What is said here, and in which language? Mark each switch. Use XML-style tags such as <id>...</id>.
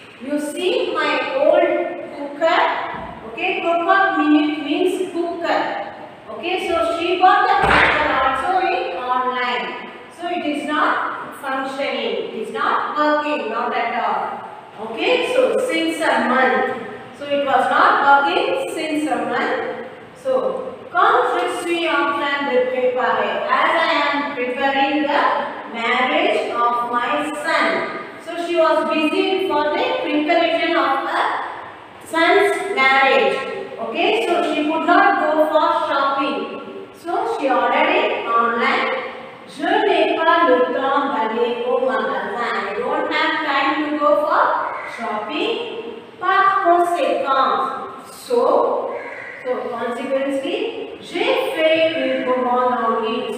<en>You see my old cooker, okay, cook-up minute means cooker, okay, so she bought the cooker also in online, so it is not functioning, it is not working, not at all, okay, so since a month, so it was not working since a month, so,</en> <fr>comme je suis en train de préparer,</fr> <en>as I am preparing the marriage of my son. So she was busy for the preparation of her son's marriage. Okay, so she could not go for shopping. So she ordered it online.</en> <fr>Je n'ai pas le temps d'aller au magasin.</fr> <en>I don't have time to go for shopping.</en> <fr>Par conséquent,</fr> <en>so consequently,</en> <fr>j'ai fait une commande en ligne.</fr>